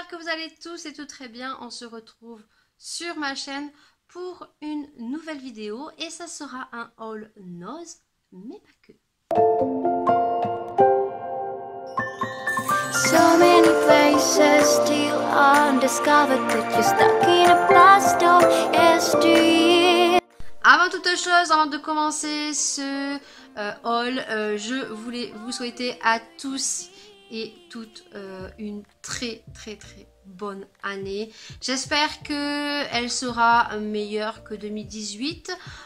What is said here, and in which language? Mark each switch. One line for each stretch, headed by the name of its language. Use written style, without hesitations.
French: allez tous et tout très bien. On se retrouve sur ma chaîne pour une nouvelle vidéo et ça sera un haul Noz, mais pas que.
English: So many places still undiscovered, but you're stuck in a past of yesterday.
French: Avant toute chose, avant de commencer ce haul, je voulais vous souhaiter à tous et toutes une très très très bonne année. J'espère qu'elle sera meilleure que 2018.